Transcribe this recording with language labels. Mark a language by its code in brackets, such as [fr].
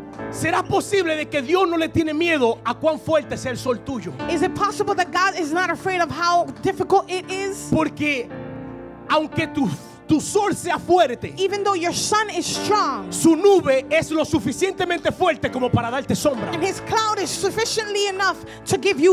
[es] ¿Será posible de que Dios no le tiene miedo a cuán fuerte sea el sol tuyo? [en] Is it possible that God is not afraid of how difficult it is? [es] Porque aunque tu sol sea fuerte, [en] even though your sun is strong, [es] su nube es lo suficientemente fuerte como para darte sombra. [en] And his cloud is sufficiently enough to give you